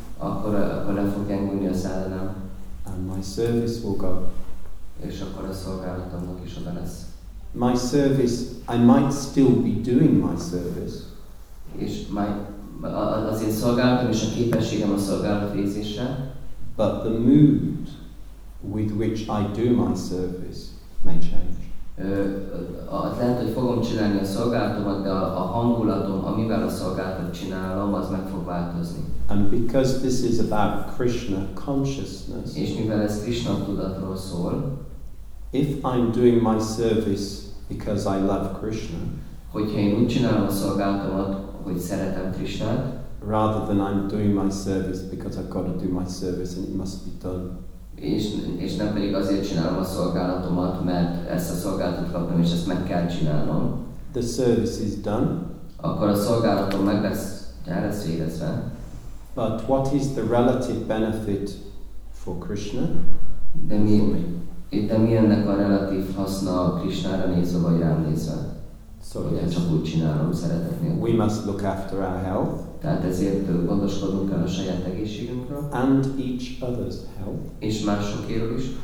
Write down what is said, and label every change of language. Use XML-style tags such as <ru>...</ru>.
<hu>akkor le fog gyengülni a sadhana,</hu> <en>and my service will go,</en> <hu>és akkor a szolgálatomnak is oda lesz.</hu> <en>My service, I might still be doing my service,</en> <hu>és az én szolgálatom és a képességem a szolgálat végzésre,</hu> <en>but the mood with which I do my service may change.</en> <hu>Lehet, hogy fogom csinálni a szolgálatomat, de a hangulatom, amivel a szolgálatot csinálom, az meg fog változni.</hu> <en>And because this is about Krishna consciousness.</en> <hu>És mivel ez Krishna tudatról szól,</hu> <en>if I'm doing my service because I love Krishna,</en> <hu>hogyha én úgy csinálom a szolgálatomat, hogy szeretem Krishnát,</hu> <en>rather than I'm doing my service because I've got to do my service and it must be done.</en> <hu>És nem pedig azért csinálom a szolgálatomat, mert ezt a szolgálatot kaptam, és ezt meg kell csinálnom.</hu> <en>The service is done.</en> <hu>Akkor a szolgálatom meg lesz végezve.</hu> <en>But what is the relative benefit for Krishna?</en> <hu>De mi ennek a relatív haszna a Krishnára nézve, vagy rám nézve?</hu> <en>So yes.</en> <hu>Csak úgy csinálom szeretet nélkül.</hu> <en>We must look after our health.</en> <hu>Tehát ezért gondoskodunk el a saját egészségünkről.</hu> <en>And each other's health.</en> <hu>És másokéről is.</hu>